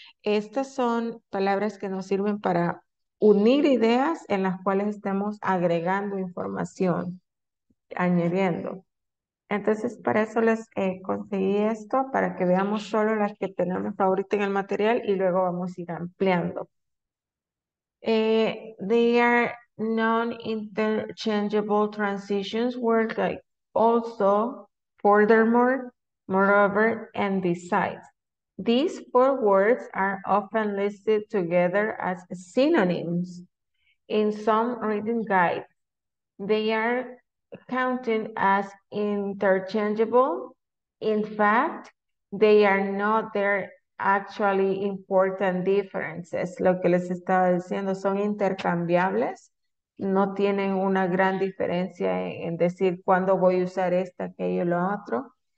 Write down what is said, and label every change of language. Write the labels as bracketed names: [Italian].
[Spanish] Estas son palabras que nos sirven para unir ideas en las cuales estemos agregando información, añadiendo. Entonces, para eso les conseguí esto, para que veamos solo las que tenemos ahorita en el material y luego vamos a ir ampliando. [English] They are non-interchangeable transitions words like also, furthermore, moreover, and besides. These four words are often listed together as synonyms in some reading guides. They are counted as interchangeable. In fact, they are not their actually important differences. [Spanish] Lo que les estaba diciendo, son intercambiables. No tienen una gran diferencia en decir cuándo voy a usar esta, aquello, lo otro.